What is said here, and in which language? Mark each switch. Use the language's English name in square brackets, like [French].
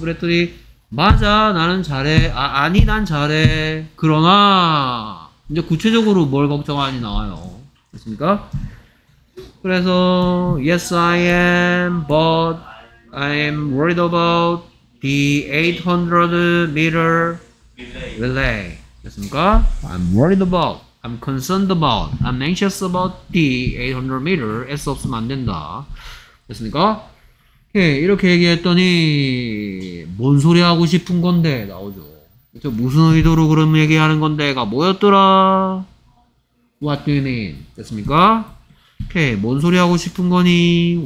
[Korean] 그랬더니 맞아 나는 잘해. 아니 난 잘해. 그러나 이제 구체적으로 뭘 걱정하니 나와요. 됐습니까? 그래서 [English] yes I am but I am worried about the 800m relay. [Korean] 됐습니까? [English] I'm worried about. I'm concerned about, I'm anxious about the 800m. [Korean] S 없으면 안 된다. 됐습니까? 오케이, 이렇게 얘기했더니 뭔 소리 하고 싶은 건데 나오죠. 그쵸? 무슨 의도로 그런 얘기하는 건데가 뭐였더라? [English] What do you mean? [Korean] 됐습니까? 오케이, 뭔 소리 하고 싶은 거니?